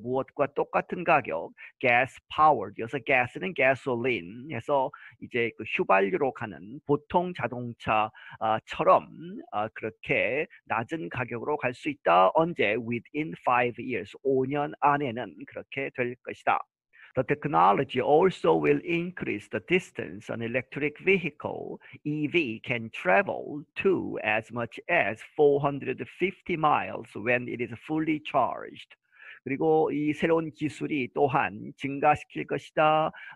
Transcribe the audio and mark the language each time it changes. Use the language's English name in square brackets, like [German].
[Korean] 무엇과 똑같은 가격? gas powered. 여기서 gas는 gasoline 해서 이제 그 휘발유로 가는 보통 자동차처럼 그렇게 낮은 가격으로 갈수 있다. 언제? [English] within 5 years. [Korean] 5년 안에는 그렇게 될 것이다. [English] The technology also will increase the distance an electric vehicle, EV, can travel to as much as 450 miles when it is fully charged. [Korean] 그리고 이 새로운 기술이 또한 증가시킬 것이다.